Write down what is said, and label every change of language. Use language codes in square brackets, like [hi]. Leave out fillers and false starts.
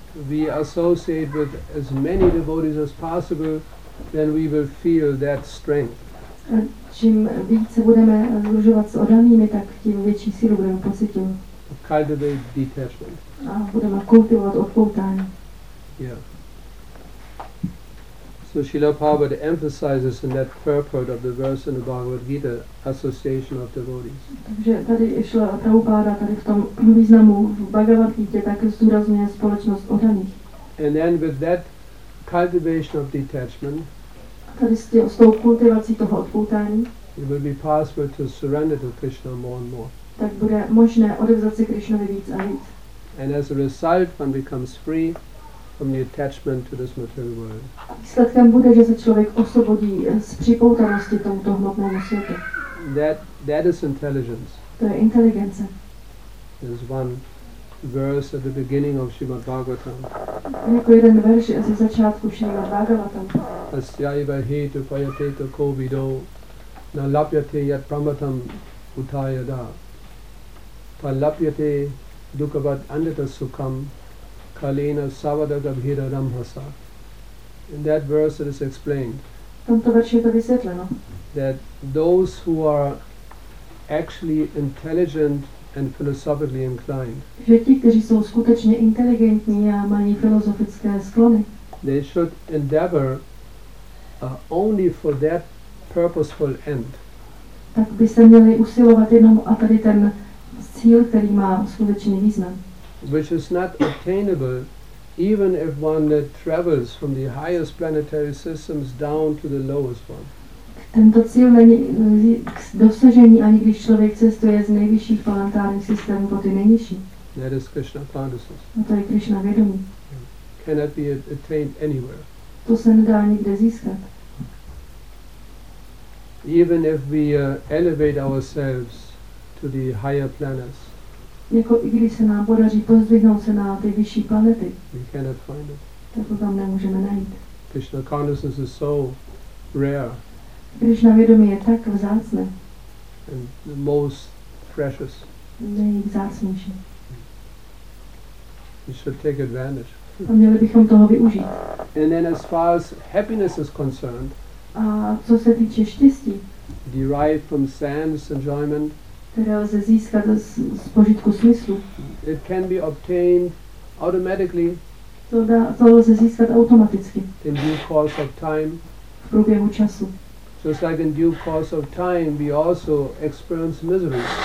[en] We associate with as many devotees as possible, then we will feel that strength. [cs] A čím více budeme združovat s oddanými, tak tím větší sílu budeme pocitovat. [en] Cultivate detachment. [cs] A budeme kultivovat odpoutání. Yeah. [en] So Srila Prabhupada emphasizes in that purport of the verse in the Bhagavad Gita, association of devotees. [cs] Takže tady Srila Prabhupada tady v tom významu v Bhagavad Gita také zdůrazňuje společnost oddaných. [en] And then with that cultivation of detachment, [cs] tady s tou kultivací toho odpoutání, [en] it will be possible to surrender to Krishna more and more. [cs] Tak bude možné odevzdat se Krishnovi víc a víc. [en] And as a result, one becomes free from the attachment to this material world. [cs] Výsledkem bude, že se člověk osvobodí z připoutanosti tomuto hmotnému světu. [en] That is intelligence. [cs] To je inteligence. [en] There's one verse at the beginning of Srimad Bhagavatam. [cs] Jako jeden verš ze začátku Srimad Bhagavatam. [sa] Asya eva hi tu payate tu kovido na lapyate yat pramatam utayada pa lapyate dukavad anita sukham kalena savada gabhira ramhasa. [en] In that verse it is explained that those who are actually intelligent and philosophically inclined, they should endeavor only for that purposeful end. [cs] Tak by se měli usilovat jenom a tady ten cíl, který má skutečný význam. [en] Which is not obtainable even if one that travels from the highest planetary systems down to the lowest one. [cs] Tento cíl není k dosažení, ani když člověk cestuje z nejvyšších planetárních systémů po ty nejnižší. [en] That is Krishna consciousness. [cs] A to je Krishna vědomí. [en] Cannot be attained anywhere. [cs] To se nedá nikde získat. [en] Even if we elevate ourselves to the higher planets, [cs] jako i když se nám podaří pozdvihnout se na ty vyšší planety, [en] we cannot find it. [cs] Tak to tam nemůžeme najít. [en] Krishna consciousness is so rare. [cs] Krishna vědomí je tak vzácné. [en] And the most precious. [cs] Nejvzácnější. [en] We should take advantage. [cs] A měli bychom toho využít. [en] And then as far as happiness is concerned, [cs] a co se týče štěstí, [en] derived from sense enjoyment, [cs] které lze získat z požitku smyslu. [en] It can be obtained automatically. [cs] To lze získat automaticky. [en] In due course of time. [cs] V průběhu času. [en] Just like in due course of time, we also experience misery.